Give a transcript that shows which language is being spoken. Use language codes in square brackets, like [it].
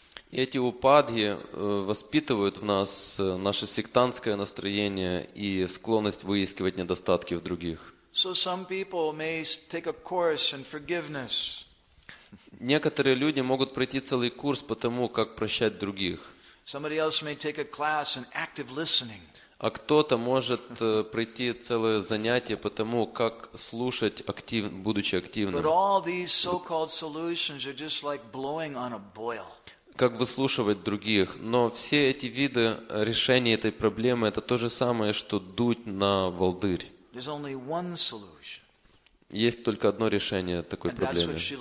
[ru] И эти упади воспитывают в нас наше сектантское настроение и склонность выискивать недостатки в других. [en] So some people may take a course in forgiveness. [ru] Некоторые люди могут пройти целый курс по тому, как прощать других. [en] Somebody else may take a class in active listening. [ru] А кто-то может пройти целое занятие по тому, как слушать, будучи активным. [en] But all these so-called solutions are just like blowing on a boil. [ru] Как выслушивать других. Но все эти виды решения этой проблемы, это то же самое, что дуть на волдырь. [en] There's only one solution. [ru] Есть только одно решение такой проблемы.